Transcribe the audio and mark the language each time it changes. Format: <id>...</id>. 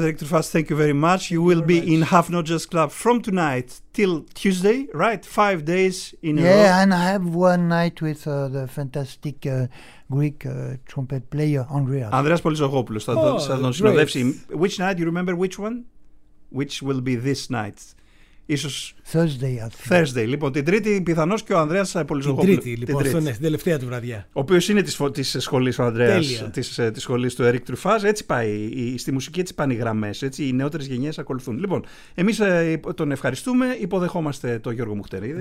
<en>Eric Truffaz, thank you very much. You will be in Half Not Just Club from tonight till Tuesday, right? 5 days in yeah, a row. Yeah, and I have one night with the fantastic Greek trumpet player Andreas.</en> <el>Andreas Polizogopoulos θα τον συνοδεύσει.</el> <en>Which night, you remember which one? Which will be this night?</en> <el>Ίσως</el> <en>Thursday.</en> <el>Λοιπόν, την Τρίτη πιθανώς και ο Ανδρέας Πολυζογόπουλος. Την τελευταία του βραδιά. Ο οποίος είναι της σχολής ο Ανδρέας, της σχολής του Eric Truffaz. Έτσι πάει, στη μουσική έτσι πάνε οι γραμμές. Έτσι, οι νεότερες γενιές ακολουθούν. Λοιπόν, εμείς τον ευχαριστούμε. Υποδεχόμαστε τον Γιώργο Μουχτερίδη.</el>